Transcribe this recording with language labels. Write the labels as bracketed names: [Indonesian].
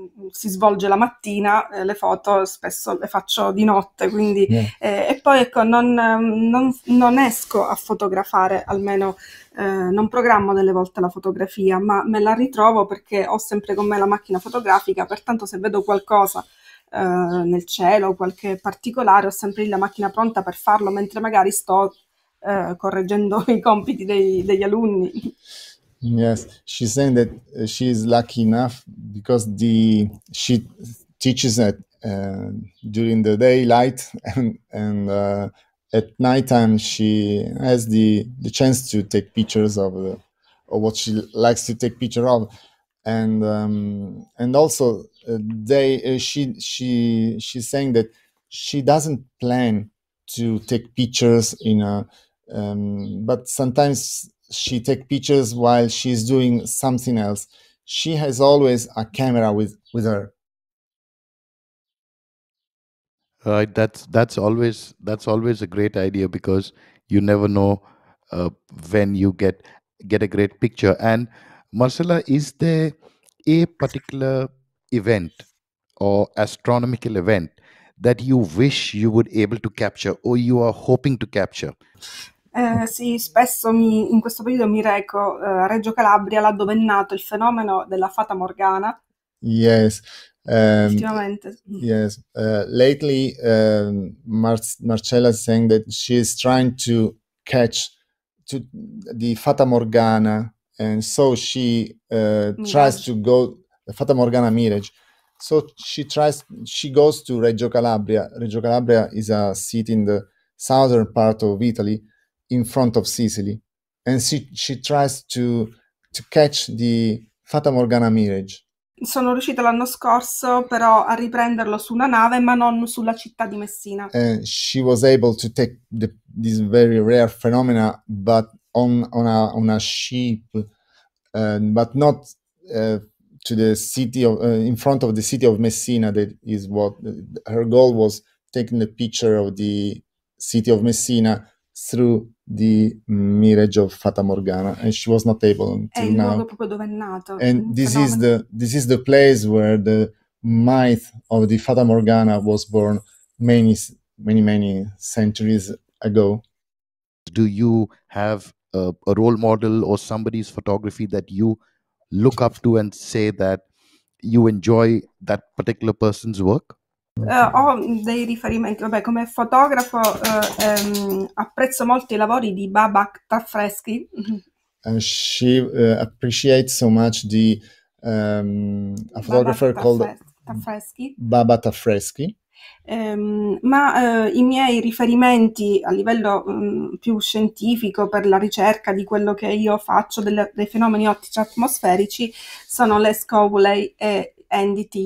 [Italian] Si svolge la mattina, le foto spesso le faccio di notte, quindi e poi ecco, non esco a fotografare, almeno non programmo delle volte la fotografia, ma me la ritrovo perché ho sempre con me la macchina fotografica, pertanto se vedo qualcosa nel cielo, qualche particolare, ho sempre lì la macchina pronta per farlo, mentre magari sto correggendo i compiti degli alunni. [English] Yes, she's saying that she's lucky enough because she teaches at during the daylight and at nighttime she has the chance to take pictures of or what she likes to take picture of, and also she's saying that she doesn't plan to take pictures but sometimes she take pictures while she's doing something else. She has always a camera with her. Right, that's always a great idea because you never know when you get a great picture. And Marcella, is there a particular event or astronomical event that you wish you would able to capture or you are hoping to capture? [Italian] Sì, spesso in questo periodo mi reco a Reggio Calabria, là dove è nato il fenomeno della Fata Morgana. [English] Yes. [Italian] Ultimamente. [English] Yes. Lately, Marcella is saying that she is trying to catch the Fata Morgana, and so she tries to go Fata Morgana Mirage. So she goes to Reggio Calabria. Reggio Calabria is a city in the southern part of Italy, in front of Sicily, and she tries to catch the Fata Morgana Mirage. [Italian] Sono riuscita l'anno scorso però a riprenderlo su una nave ma non sulla città di Messina. [English] And she was able to take this very rare phenomena but on a ship but not to the city of in front of the city of Messina. That is what her goal was, taking the picture of the city of Messina through the mirage of Fata Morgana, and she was not able until now. And this is the place where the myth of the Fata Morgana was born many, many, many centuries ago. Do you have a role model or somebody's photography that you look up to and say that you enjoy that particular person's work? [Italian] Ho dei riferimenti, vabbè, come fotografo apprezzo molto i lavori di Babak Tafreski. [English] And she appreciates so much the a photographer called Babak Tafreski. [Italian] I miei riferimenti a livello più scientifico per la ricerca di quello che io faccio dei fenomeni ottici atmosferici sono Les Cowley e Andy T.